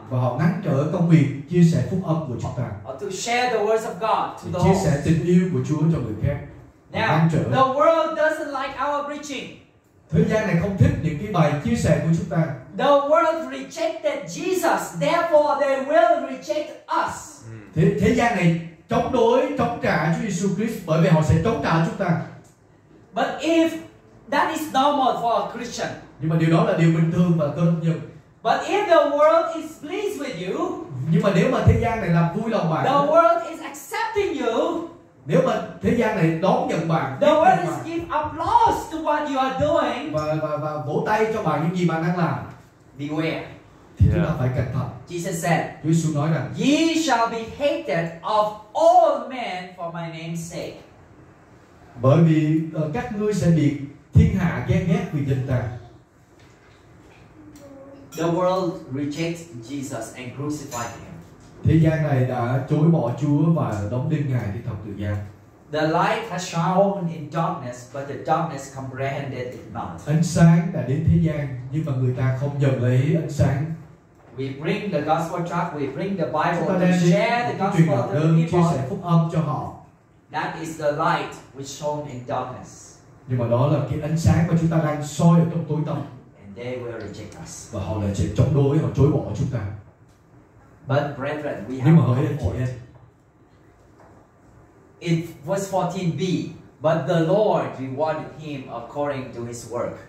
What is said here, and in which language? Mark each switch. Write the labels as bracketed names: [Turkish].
[Vietnamese] Và họ ngăn trở công việc chia sẻ phúc âm của chúng ta. [English] Or to share the words of God to the [Vietnamese] chia sẻ tình yêu của Chúa cho người khác. [English] Now, the world doesn't like our preaching. [Vietnamese] Thế gian này không thích những cái bài chia sẻ của chúng ta. [English] The world rejected Jesus, therefore they will reject us. [Vietnamese] Thế gian này chống đối, chống trả Chúa Jesus Christ, bởi vì họ sẽ chống trả chúng ta. [English] But if that is normal for a Christian. [Vietnamese] Nhưng mà điều đó là điều bình thường và cơ đốc nhân. [English] But if the world is pleased with you. [Vietnamese] Nhưng mà nếu mà thế gian này làm vui lòng bạn. [English] The world is accepting you. [Vietnamese] Nếu mà thế gian này đón nhận bạn. [English] The world is giving applause to what you are doing. [Vietnamese] Và vỗ tay cho bạn những gì bạn đang làm. [English] Beware. [Vietnamese] Thì chúng ta phải cẩn thận. [English] Jesus said, [Vietnamese] Chúa Jesus nói rằng, [English] ye shall be hated of all men for my name's sake. [Vietnamese] Bởi vì các ngươi sẽ bị thiên hạ ghét ghét vì danh ta. [English] The world rejects Jesus and crucified him. [Vietnamese] Thế gian này đã chối bỏ Chúa và đóng đinh Ngài trên thập tự giá. [English] The light has shone in darkness, but the darkness comprehended it not. [Vietnamese] Ánh sáng đã đến thế gian, nhưng mà người ta không nhận lấy ánh sáng. [English] We bring the gospel truck, we bring the Bible, to share the gospel to people. [Vietnamese] Chia sẻ phúc âm cho họ. [English] That is the light which shone in darkness. [Vietnamese] Nhưng mà đó là cái ánh sáng mà chúng ta đang soi ở trong tối tăm. [English] And they will reject us. [Vietnamese] Và họ lại sẽ chống đối, họ chối bỏ chúng ta. [English] But brethren, we [Vietnamese] nhưng [English] have [Vietnamese] mà hỡi anh chị em. [English] It was 14b, but the Lord rewarded him according to his work.